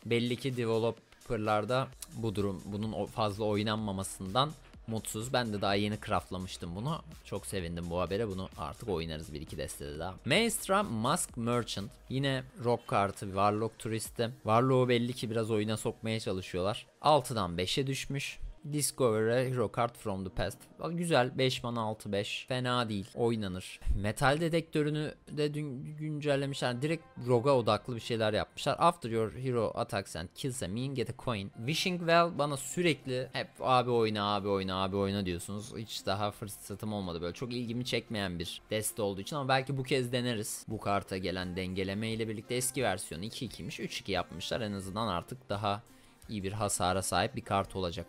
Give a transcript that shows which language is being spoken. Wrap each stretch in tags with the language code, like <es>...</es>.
<tr>Belli ki developerlarda bu durum bunun fazla oynanmamasından mutsuz. Ben de daha yeni craftlamıştım bunu. Çok sevindim bu habere. Bunu artık oynarız bir iki destede daha. Maestra Mask Merchant. Yine Rock kartı, Warlock turisti. Warlock'u belli ki biraz oyuna sokmaya çalışıyorlar. 6'dan 5'e düşmüş.</tr> <en>Discover a Hero Card from the Past.</en> <tr>Güzel. 5 mana 6-5. Fena değil. Oynanır. Metal dedektörünü de dün güncellemişler. Yani direkt Rogue'a odaklı bir şeyler yapmışlar.</tr> <en>After your hero attacks and kills a minion, get a coin.</en> <tr>Wishing Well bana sürekli hep abi oyna, abi oyna, abi oyna diyorsunuz. Hiç daha fırsatım olmadı. Böyle çok ilgimi çekmeyen bir deste olduğu için ama belki bu kez deneriz. Bu karta gelen dengeleme ile birlikte eski versiyonu 2-2'miş. 3-2 yapmışlar. En azından artık daha iyi bir hasara sahip bir kart olacak.</tr>